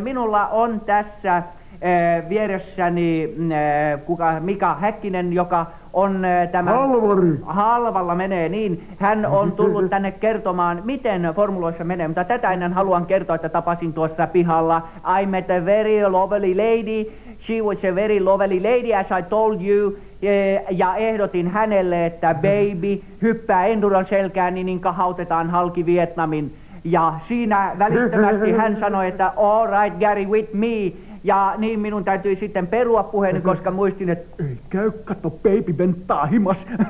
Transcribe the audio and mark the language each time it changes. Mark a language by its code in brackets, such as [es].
[fi] Minulla on tässä vieressäni Mika Häkkinen, joka on tämä... Halvari! Halvalla menee, niin. Hän on tullut tänne kertomaan, miten formuloissa menee. Mutta tätä ennen haluan kertoa, että tapasin tuossa pihalla. [en] I met a very lovely lady. She was a very lovely lady, as I told you. [fi] Ja ehdotin hänelle, että baby, hyppää Enduron selkään, niin kahautetaan halki Vietnamin. Ja siinä välittömästi hän sanoi, että [en] all right, Gary, with me. [fi] Ja niin minun täytyy sitten perua puheeni, koska muistin, että ei käy, katso, baby venttaa himas.